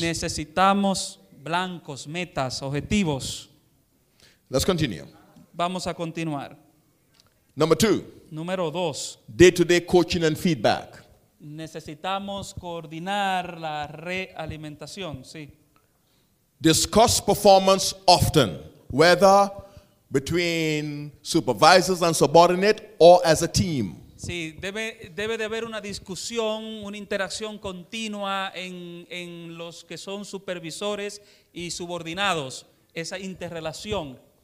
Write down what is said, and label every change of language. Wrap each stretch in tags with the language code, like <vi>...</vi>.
<es>Necesitamos blancos, metas, objetivos.</es> <en>Let's continue.</en> <es>Vamos a continuar.</es> <en>Number two.</en> <es>Número dos.</es> <en>Day-to-day coaching and feedback.</en> <es>Necesitamos coordinar la realimentación, sí.</es> <en>Discuss performance often, whether between supervisors and subordinate or as a team.</en> <es>Sí, debe de haber una discusión, una interacción continua en los que son supervisores y subordinados, esa interrelación.</es>